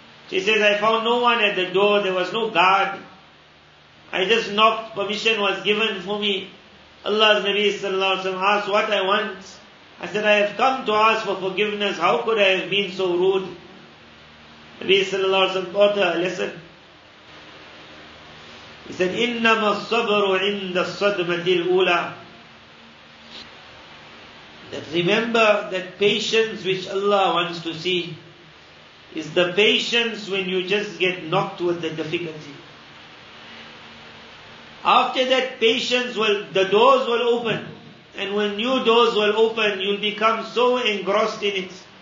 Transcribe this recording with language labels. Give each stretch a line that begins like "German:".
English: She says, I found no one at the door. There was no guard. I just knocked. Permission was given for me. Allah's Nabi sallallahu alayhi wa sallam asked what I want. I said, I have come to ask for forgiveness. How could I have been so rude? Nabi sallallahu alayhi wa sallam taught her a lesson. He said,
Arabic: إِنَّمَا الصَّبْرُ عِنْدَ الصَّدْمَةِ الْأُولَى.
English: That remember that patience which Allah wants to see is the patience when you just get knocked with the difficulty. After that patience, will the doors will open. And when new doors will open, you'll become so engrossed in it.